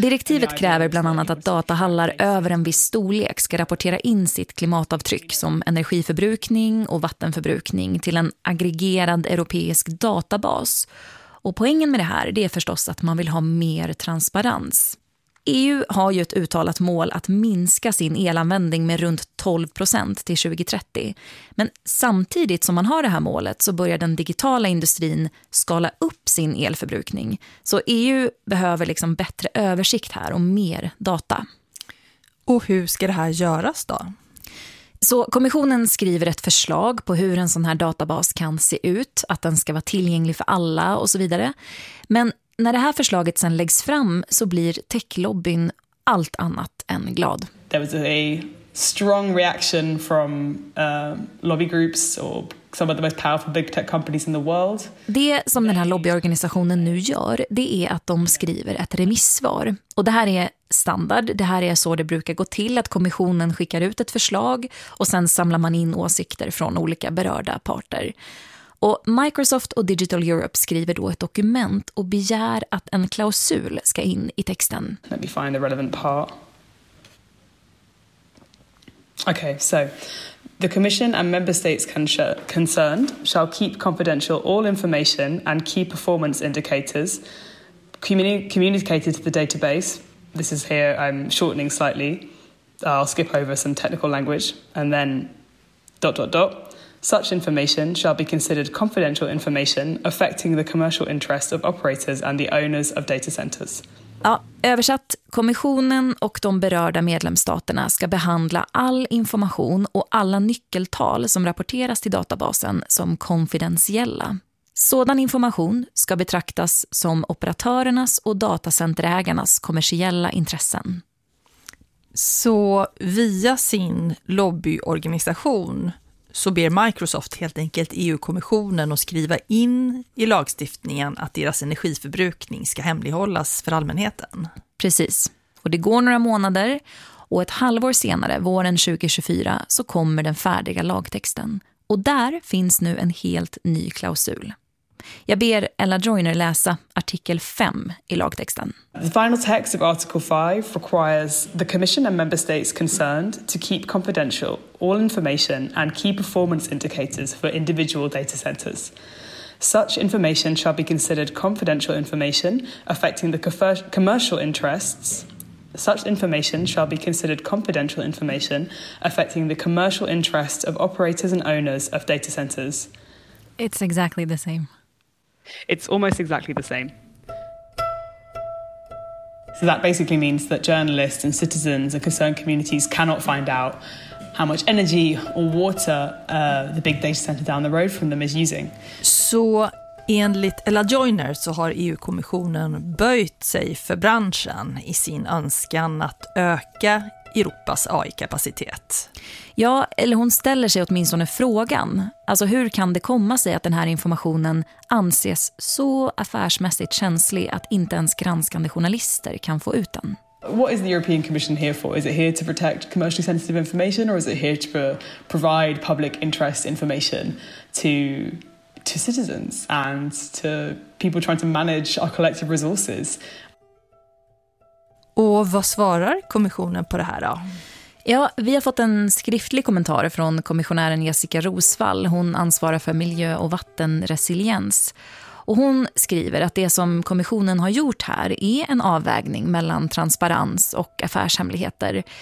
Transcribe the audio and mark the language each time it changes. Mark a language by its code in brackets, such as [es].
[sv] Direktivet kräver bland annat att datahallar över en viss storlek ska rapportera in sitt klimatavtryck som energiförbrukning och vattenförbrukning till en aggregerad europeisk databas. Och poängen med det här det är förstås att man vill ha mer transparens. EU har ju ett uttalat mål att minska sin elanvändning med runt 12% till 2030. Men samtidigt som man har det här målet så börjar den digitala industrin skala upp sin elförbrukning. Så EU behöver liksom bättre översikt här och mer data. Och hur ska det här göras då? Så kommissionen skriver ett förslag på hur en sån här databas kan se ut, att den ska vara tillgänglig för alla och så vidare. Men när det här förslaget sen läggs fram så blir techlobbyn allt annat än glad. [en] There was a strong reaction from lobby groups or some of the most powerful big tech companies in the world. [sv] Det som den här lobbyorganisationen nu gör, det är att de skriver ett remissvar. Och det här är standard. Det här är så det brukar gå till, att kommissionen skickar ut ett förslag och sen samlar man in åsikter från olika berörda parter. Och Microsoft och Digital Europe skriver då ett dokument och begär att en klausul ska in i texten. [en] Let me find the relevant part. Okay, so the Commission and member states concerned shall keep confidential all information and key performance indicators communicated to the database. This is here, I'm shortening slightly. I'll skip over some technical language and then dot dot dot. Such information shall be considered confidential information affecting the commercial interests of operators and the owners of data centers. [sv] Ja, översatt, kommissionen och de berörda medlemsstaterna ska behandla all information och alla nyckeltal som rapporteras till databasen som konfidentiella. Sådan information ska betraktas som operatörernas och datacenterägarnas kommersiella intressen. Så via sin lobbyorganisation så ber Microsoft helt enkelt EU-kommissionen att skriva in i lagstiftningen att deras energiförbrukning ska hemlighållas för allmänheten. Precis. Och det går några månader och ett halvår senare, våren 2024, så kommer den färdiga lagtexten. Och där finns nu en helt ny klausul. Jag ber Ella Joyner läsa artikel 5 i lagtexten. [en] The final text of Article 5 requires the Commission and Member States concerned to keep confidential all information and key performance indicators for individual data centers. Such information shall be considered confidential information affecting the commercial interests. Such information shall be considered confidential information affecting the commercial interests of operators and owners of data centers. It's exactly the same. It's almost exactly the same. So that basically means that journalists and citizens and concerned communities cannot find out how much energy or water the big data center down the road from them is using. [sv] Så enligt Ella Joyner så har EU-kommissionen böjt sig för branschen i sin önskan att öka Europas AI-kapacitet. Ja, eller hon ställer sig åtminstone frågan. Alltså hur kan det komma sig att den här informationen anses så affärsmässigt känslig att inte ens granskande journalister kan få ut den? [en] What is the European Commission here for? Is it here to protect commercially sensitive information or is it here to provide public interest information to citizens and to people trying to manage our collective resources? [sv] Och vad svarar kommissionen på det här då? Ja, vi har fått en skriftlig kommentar från kommissionären Jessica Rosvall. Hon ansvarar för miljö- och vattenresiliens. Och hon skriver att det som kommissionen har gjort här är en avvägning mellan transparens och affärshemligheter.